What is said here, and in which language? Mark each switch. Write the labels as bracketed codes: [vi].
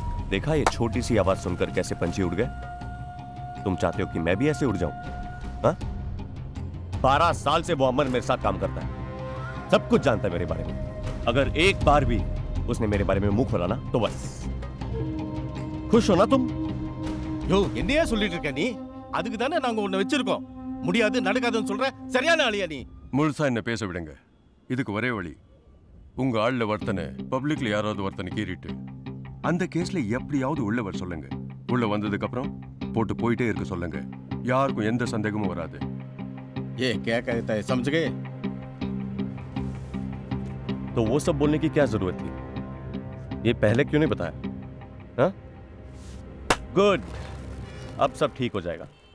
[hi] देखा ये छोटी सी आवाज सुनकर कैसे पंछी उड़ गए? तुम चाहते हो कि मैं भी ऐसे उड़ जाऊं? 12 साल से वो अमर मेरे साथ काम करता है, सब कुछ जानता है मेरे बारे में. अगर एक बार भी उसने मेरे बारे में मुंह खोला ना तो बस खुश हो ना तुम. [ta] यो என்னையா சொல்லிட்டு இருக்க நீ? அதுக்கு தான நாங்க உன்னை வெச்சிருக்கோம். முடியாது நடக்காதுன்னு சொல்ற, சரியான ஆளியா நீ? முழுசா என்ன பேச விடுங்க. இதுக்கு ஒரே வழி, உங்க ஆள்ல வர்த்தனை பப்ளிக்ல யாராவது வர்த்தனை கீறிட்டு அந்த கேஸ்ல எப்படியாவது உள்ளவர் சொல்லுங்க. உள்ள வந்ததுக்கு அப்புறம் போட்டு போயிட்டே இருக்க சொல்லுங்க, யாருக்கும் எந்த சந்தேகமும் வராது. ஏ கேக்காதே, சமஜகே. [hi] तो वो सब बोलने की क्या जरूरत थी, ये पहले क्यों नहीं बताया? हां, गुड, अब सब ठीक हो जाएगा.